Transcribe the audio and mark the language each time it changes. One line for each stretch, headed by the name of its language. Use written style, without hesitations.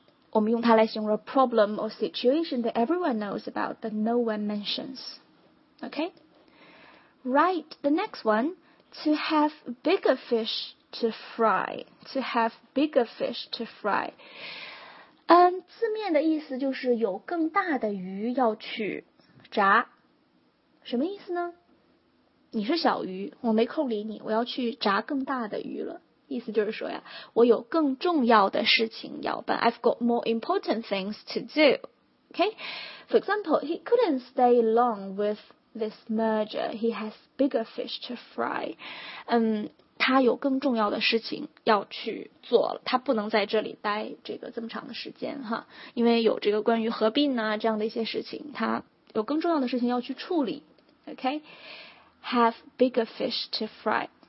Chinese: 我们用它来形容
English: a problem or situation that everyone knows about but no one mentions. Okay? Right, the next one, to have bigger fish to fry. To have bigger fish to fry.
Chinese: 字面的意思就是有更大的鱼要去炸。什么意思呢？你是小鱼，我没空理你，我要去炸更大的鱼了。意思就是说呀，我有更重要的事情要办。
English: I've got more important things to do. Okay? For example, he couldn't stay long with this merger. He has bigger fish to fry.
Chinese: 他有更重要的事情要去做了，他不能在这里待这个这么长的时间哈，因为有这个关于合并啊这样的一些事情，他有更重要的事情要去处理。
English: Okay? Have bigger fish to fry.